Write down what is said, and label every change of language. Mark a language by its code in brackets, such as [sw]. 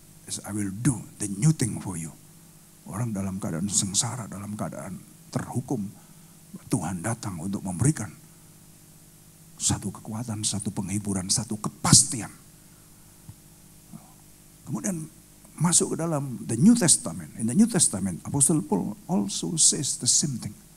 [en] As I will do the new thing for you. [id] Orang dalam keadaan sengsara, dalam keadaan terhukum. Tuhan datang untuk memberikan satu kekuatan, satu penghiburan, satu kepastian. Kemudian masuk ke dalam the New Testament. [en] In the New Testament, Apostle Paul also says the same thing.